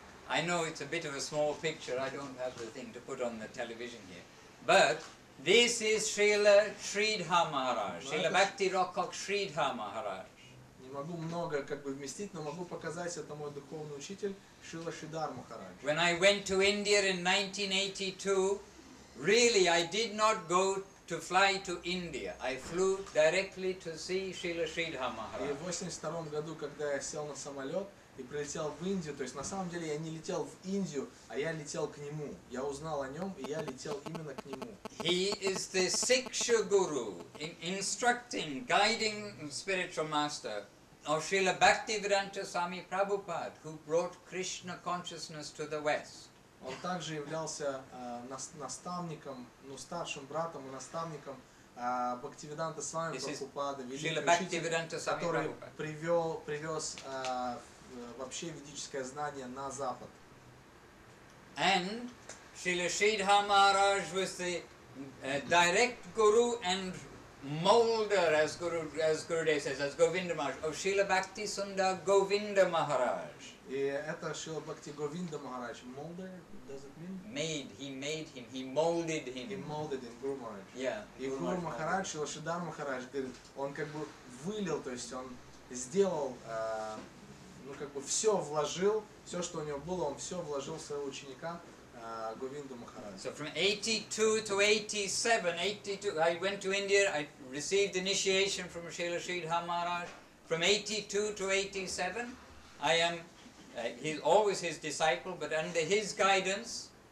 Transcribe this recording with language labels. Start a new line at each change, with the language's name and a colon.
English: I know it's a bit of a small picture. I don't have the thing to put on the television here. But this is Srila Sridhar Maharaj. Srila Bhakti Rokok Sridhar Maharaj.
Russian: Не могу много как бы вместить, но могу показать, это мой духовный учитель Шрила Шридхар Махарадж.
English: When I went to India in 1982, really I did not go to fly to India. I flew directly to see Srila Sridhar Maharaj.
Russian: И в 82 году, когда я сел на самолет и прилетел в Индию, то есть на самом деле я не летел в Индию, а я летел к нему. Я узнал о нем, и я летел именно к нему.
English: He is the Siksha Guru, instructing, guiding spiritual master of Srila Bhaktivedanta Swami Prabhupada, who brought Krishna consciousness to the West.
Russian: Он также являлся наставником, ну старшим братом и наставником Бхактивиданта Свами Прабхупады, великий учитель, который привез вообще ведическое знание на Запад.
English: And Srila Sridhar Maharaj was the direct guru and molder, as Gurudev says, as Govinda Maharaj, of Srila Bhakti Sundar Govinda Maharaj.
Russian: И это
English: Srila Bhakti Govinda Maharaj, molder, does it mean? He molded him. He molded him, Guru Maharaj. Yeah.
Russian: И Guru Maharaj, Srila Sridhar Maharaj, говорит, он как бы вылил, то есть он сделал, ну как бы все вложил, все, что у него было, он все вложил в своего ученика, Govinda Maharaj.
English: So from 82 to 87, I went to India, I received initiation from Srila Sridhar Maharaj. From 82 to 87, I am he's always his disciple, but under his guidance.